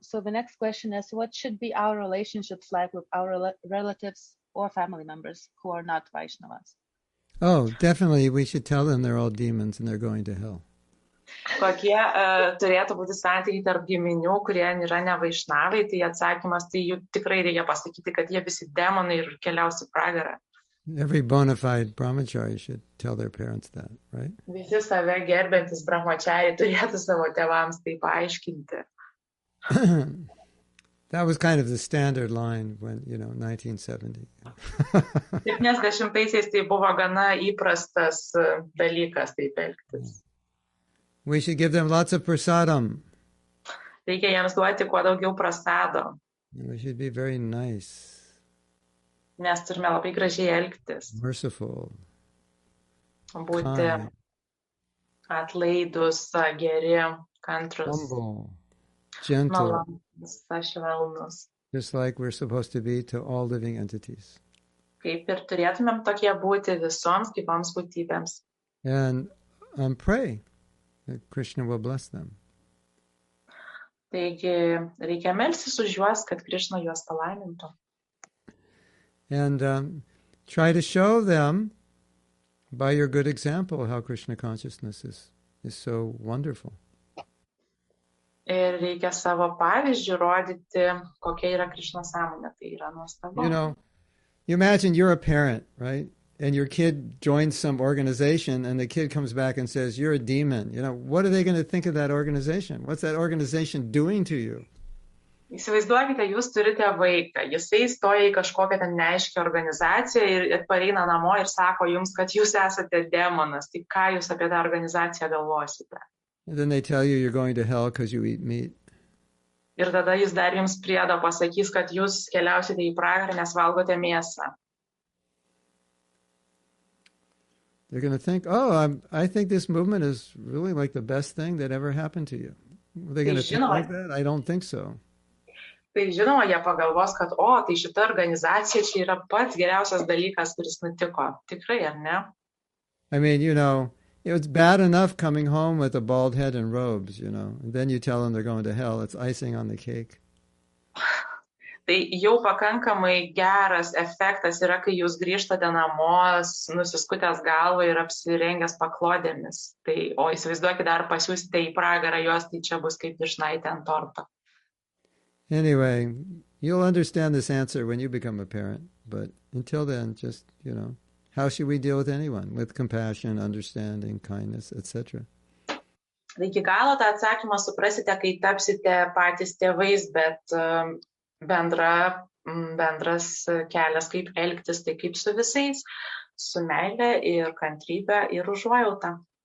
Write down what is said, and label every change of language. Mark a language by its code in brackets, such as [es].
[en] So the next question is, what should be our relationships like with our relatives or family members who are not Vaishnavas? Oh, definitely we should tell them they're all demons and they're going to hell. [lt] Kokie turėtų būti santykiai tarp giminių, kurie nėra nevaišnavai, tai atsakymas, tai jų tikrai reikia pasakyti, kad jie visi demonai ir keliausi pragarą. [en] Every bona fide brahmachari should tell their parents that, right? [lt] Visi save gerbiantis brahmachari turėtų savo tėvams tai paaiškinti. [en] That was kind of the standard line when, you know, 1970. [lt] 70-aisiais tai buvo gana įprastas dalykas taip elgtis. [en] We should give them lots of prasadam. [lt] Reikia jiems duoti kuo daugiau prasado. [en] We should be very nice. [lt] Mes turime labai gražiai elgtis. [en] Merciful. [lt] Būti kind. Atlaidus, geri, kantrus. [en] Humble. Gentle. [lt] Malonus, švelnus. [en] Just like we're supposed to be to all living entities. [lt] Kaip ir turėtumėm tokie būti visoms gyvoms būtybėms. [en] And pray. Krishna will bless them. [lt] Taigi, reikia melstis už juos, kad Krishna juos palaimintų. [en] And try to show them by your good example how Krishna consciousness is so wonderful. [lt] Ir reikia savo pavyzdžiu rodyti, kokia yra Krishna sąmonė. Tai yra nuostabu. [en] You know, you imagine you're a parent, right? and your kid joins some organization and the kid comes back and says, you're a demon. You know, what are they going to think of that organization? What's that organization doing to you? [lt] Įsivaizduokite, jūs turite vaiką, jisai įstoja į kažkokią ten neaiškią organizaciją ir pareina namo ir sako jums, kad jūs esate demonas, tai ką jūs apie tą organizaciją galvosite? [en] And then they tell you you're going to hell because you eat meat. [lt] Ir tada jis dar jums priedo pasakys, kad jūs keliausite į pragarą, nes valgote mėsą. [en] They're going to think, oh, I think this movement is really like the best thing that ever happened to you. Are they going to think like that? I don't think so. [lt] Tai žinoma, jie pagalvos, kad, o, tai šita organizacija čia yra pats geriausias dalykas, kuris nutiko. Tikrai, ar ne? [en] I mean, you know, it's bad enough coming home with a bald head and robes, you know. And then you tell them they're going to hell. It's icing on the cake. [lt] Tai jau pakankamai geras efektas yra, kai jūs grįžtate namo, nusiskutęs galvą ir apsirengęs paklodėmis. Tai, o įsivaizduokite, dar pasiūsite į pragarą juos, tai čia bus kaip išnaitę ant torto. [en] Anyway, you'll understand this answer when you become a parent, but until then, just, you know, how should we deal with anyone? With compassion, understanding, kindness, etc. [lt] Iki galo tą atsakymą suprasite, kai tapsite patys tėvais, bet bendras kelias, kaip elgtis, tai kaip su visais, su meile ir kantrybė ir užuojauta.